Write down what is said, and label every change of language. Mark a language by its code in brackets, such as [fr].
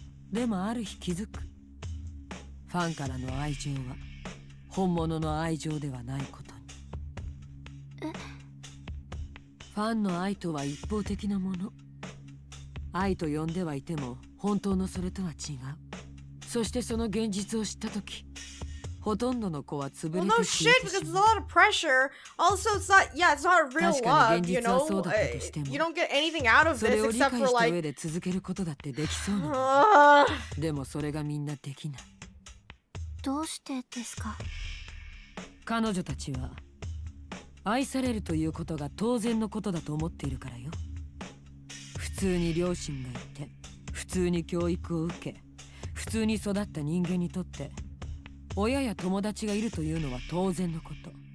[ja] でもある日気づく。ファンからの愛情は本物の愛情ではないことに。え？ファンの愛とは一方的なもの。愛と呼んではいても本当のそれとは違う。そしてその現実を知ったとき、ほとんどの子は潰れてしまう。 [en] Well, no shit, because it's a lot of pressure. Also, it's not, yeah, it's not real love, you know? [ja] 確かに現実はそうだとしても、 [en] you don't get anything out of this except for like... [ja] それを理解した上で続けることだってできそうな。でもそれがみんなできない。どうしてですか？彼女たちは、愛されるということが当然のことだと思っているからよ。普通に両親がいて、普通に教育を受け、普通に育った人間にとって、親や友達がいるというのは当然のこと。